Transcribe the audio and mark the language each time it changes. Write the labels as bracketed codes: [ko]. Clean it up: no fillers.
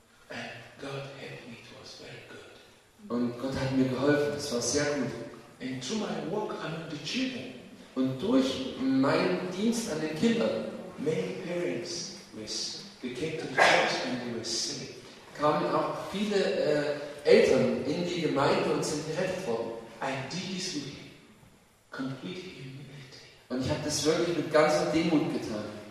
[en] And God helped me, it was very good. [de] Und Gott hat mir geholfen, das war sehr gut. [en] And through my work among the children. [de] Und durch meinen Dienst an den Kindern. [en] Many parents with they came to the church and they were saved. [de] Kamen auch viele Eltern in die Gemeinde und sind gerettet worden. [en] I did this with complete humility. [de] Und ich habe das wirklich mit ganzer Demut getan.